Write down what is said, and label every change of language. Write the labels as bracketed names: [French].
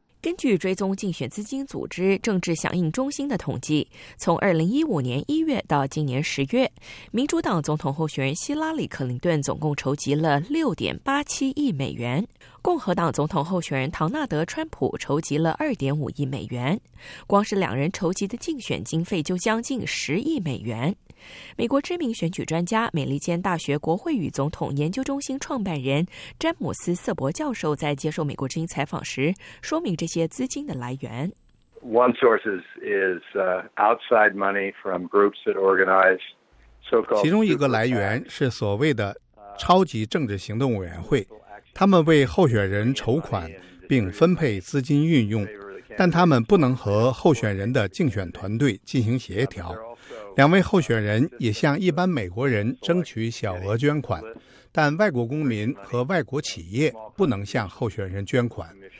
[Chinese] 根据追踪竞选资金组织政治响应中心的统计，从2015年1月到今年10月，民主党总统候选人希拉里·克林顿总共筹集了$6.87亿，共和党总统候选人唐纳德·川普筹集了$2.5亿，光是两人筹集的竞选经费就将近$10亿。美国知名选举专家、美利坚大学国会与总统研究中心创办人詹姆斯·瑟伯教授在接受美国之音采访时说明这些资金的来源。 [English] One source is outside money from groups that organize so-called. [Chinese] 其中一个来源是所谓的超级政治行动委员会，他们为候选人筹款并分配资金运用，但他们不能和候选人的竞选团队进行协调。两位候选人也向一般美国人争取小额捐款，但外国公民和外国企业不能向候选人捐款。